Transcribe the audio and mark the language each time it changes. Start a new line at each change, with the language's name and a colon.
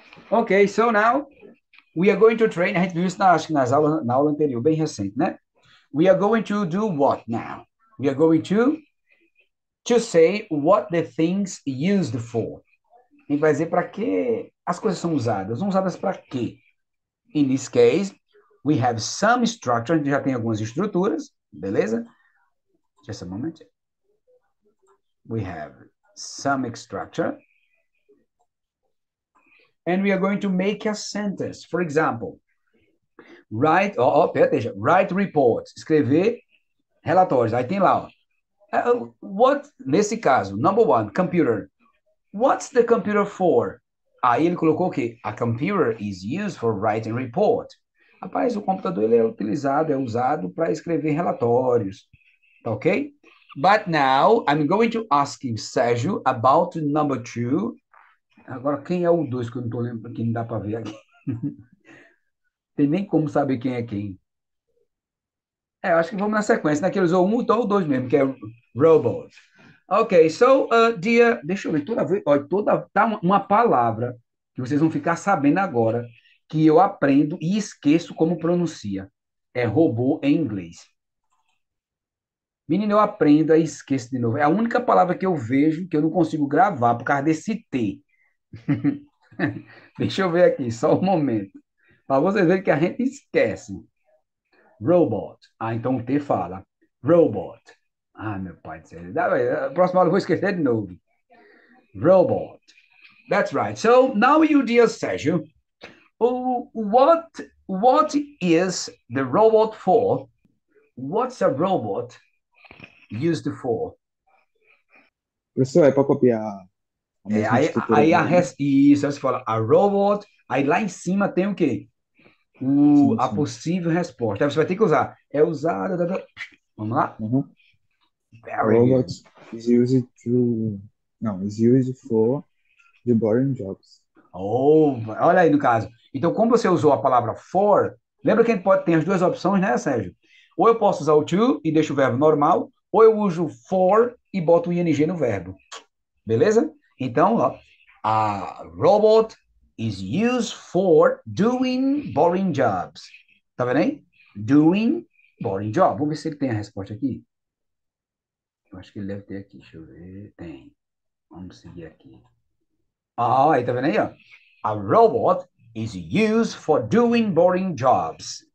English: Ok, so now we are going to train.
Portuguese: A gente viu isso na aula anterior, bem recente, né?
English: We are going to do what now? We are going to say what the things used for.
Portuguese: A gente vai dizer para que as coisas são usadas. São usadas para quê?
English: In this case, we have some structure.
Portuguese: A gente já tem algumas estruturas, beleza?
English: Just a moment. We have some structure. And we are going to make a sentence. For example, write,
Portuguese: pera, deixa,
English: write reports.
Portuguese: Escrever relatórios. Aí tem lá, ó. What, nesse caso,
English: number one,
Portuguese: computer.
English: What's the computer for?
Portuguese: Aí ele colocou o quê?
English: A computer is used for writing report.
Portuguese: Rapaz, o computador ele é utilizado, é usado para escrever relatórios. Tá ok?
English: But now I'm going to ask him, Sérgio, about number two.
Portuguese: Agora, quem é o dois que eu não estou lembrando, que não dá para ver aqui. Tem nem como saber quem é quem. É, acho que vamos na sequência, né? Que ele usou um, então o dois mesmo, que é robot. Ok, so, dia. Deixa eu ver, toda vez. Olha, toda. Tá uma palavra que vocês vão ficar sabendo agora, que eu aprendo e esqueço como pronuncia. É robô em inglês. Menino, eu aprendo e esqueço de novo. É a única palavra que eu vejo que eu não consigo gravar por causa desse T. Deixa eu ver aqui, só um momento. Para vocês verem que a gente esquece. Robot. Ah, então o T fala. Robot. Ah, meu pai do céu. Próxima aula eu vou esquecer de novo.
English: Robot. That's right. So, now you, dear Sérgio. What is the robot for? What's a robot used for?
Portuguese: Professor, é para copiar a mesma aí a resposta, você fala, a robot, aí lá em cima tem o quê? A possível resposta. Aí você vai ter que usar. É usada. Vamos lá?
English: Robot is used to.
Portuguese: Não,
English: is used for the boring jobs.
Portuguese: Oh, olha aí no caso. Então, como você usou a palavra for, lembra que a gente pode ter as duas opções, né, Sérgio? Ou eu posso usar o to e deixo o verbo normal, ou eu uso for e boto o ing no verbo. Beleza? Então, ó,
English: a robot is used for doing boring jobs.
Portuguese: Tá vendo aí?
English: Doing boring jobs.
Portuguese: Vamos ver se ele tem a resposta aqui. Eu acho que ele deve ter aqui. Deixa eu ver. Tem. Vamos seguir aqui. Ah, aí, tá vendo aí? Ó?
English: A robot is used for doing boring jobs.